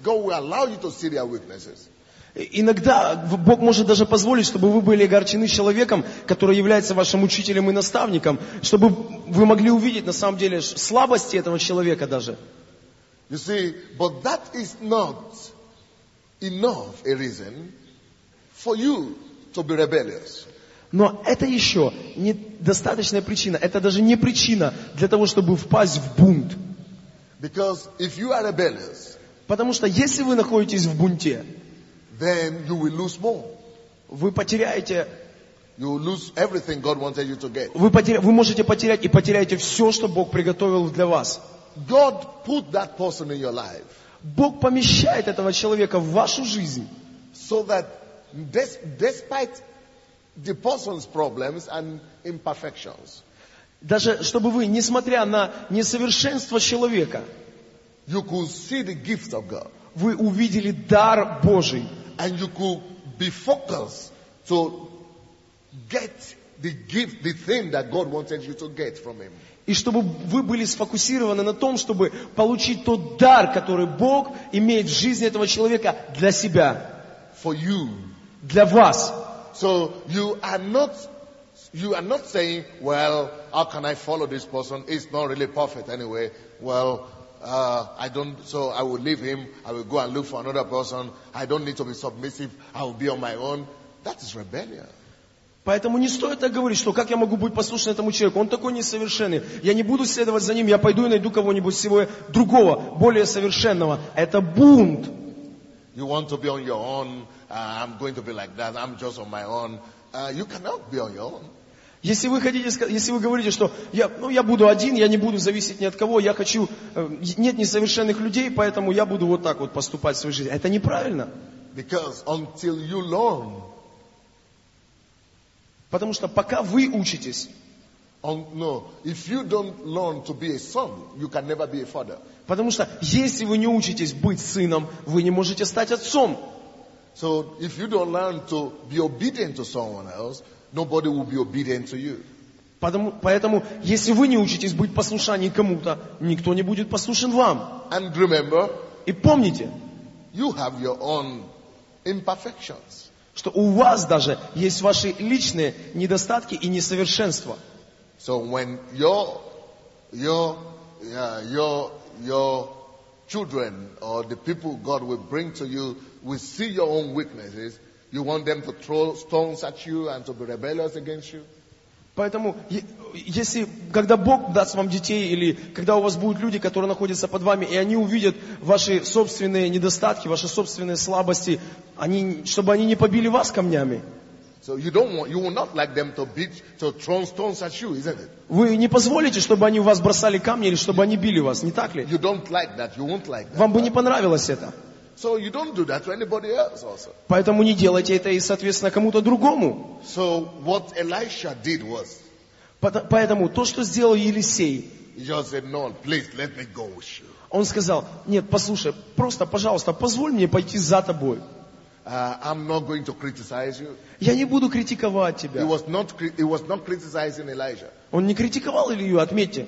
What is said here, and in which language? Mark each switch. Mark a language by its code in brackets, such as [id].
[en] God will allow you to see their weaknesses. [ru] Иногда Бог может даже позволить, чтобы вы были огорчены человеком, который является вашим учителем и наставником, чтобы вы могли увидеть на самом деле слабости этого человека даже. [en] You see, but that is not enough a reason for you to be rebellious. [ru] Но это еще недостаточная причина, это даже не причина для того, чтобы впасть в бунт. [en] Because if you are rebellious, [ru] потому что если вы находитесь в бунте, [en] then you will lose more. [ru] Вы потеряете. [en] You will lose everything God wanted you to get. [ru] Вы можете потерять и потеряете все, что Бог приготовил для вас. [en] God put that person in your life. [ru] Бог помещает этого человека в вашу жизнь. [en] So that despite the person's problems and imperfections. [ru] Даже чтобы вы, несмотря на несовершенство человека, [en] you could see the gift of God. [ru] Вы увидели дар Божий. [en] And you could be focused to get the gift, the thing that God wanted you to get from him. [ru] И чтобы вы были сфокусированы на том, чтобы получить тот дар, который Бог имеет в жизни этого человека для себя. [en] For you. [ru] Для вас. [en] So you are not saying, well, how can I follow this person? It's not really perfect anyway. Well, So I will leave him. I will go and look for another person. I don't need to be submissive. I will be on my own. That is rebellion. [ru] Поэтому не стоит так говорить, что как я могу быть послушен этому человеку? Он такой несовершенный. Я не буду следовать за ним. Я пойду и найду кого-нибудь всего другого, более совершенного. Это бунт. [en] You want to be on your own? I'm going to be like that. I'm just on my own. You cannot be on your own. [ru] Если вы говорите, что я буду один, я не буду зависеть ни от кого, я хочу, нет несовершенных людей, поэтому я буду вот так вот поступать в своей жизни. Это неправильно. [en] Because until you learn, [ru] потому что пока вы учитесь, [en] no, if you don't learn to be a son, you can never be a father. [ru] Потому что если вы не учитесь быть сыном, вы не можете стать отцом. [en] So if you don't learn to be obedient to someone else, nobody will be obedient to you. [ru] Поэтому, если вы не учитесь быть послушанием кому-то, никто не будет послушен вам. [en] And remember, [ru] и помните, [en] you have your own imperfections. [ru] Что у вас даже есть ваши личные недостатки и несовершенства. [en] So when your children or the people God will bring to you will see your own weaknesses, you want them to throw stones at you and to be rebellious against you? [ru] Поэтому, если когда Бог даст вам детей или когда у вас будут люди, которые находятся под вами, и они увидят ваши собственные недостатки, ваши собственные слабости, чтобы они не побили вас камнями. [en] So you will not like them to throw stones at you, isn't it? [ru] Вы не позволите, чтобы они у вас бросали камни или чтобы они били вас, не так ли? [en] You don't like that. You won't like that. [ru] Вам бы не понравилось это. [en] So you don't do that to anybody else also. [ru] Поэтому не делайте это и, соответственно, кому-то другому. [en] So what Elisha did was. [ru] Поэтому то, что сделал Елисей. [en] He just said, no, please let me go with you. [ru] Он сказал: нет, послушай, просто, пожалуйста, позволь мне пойти за тобой. [en] I'm not going to criticize you. [ru] Я не буду критиковать тебя. [en] He was not criticizing Elijah. [ru] Он не критиковал Илию, отметьте.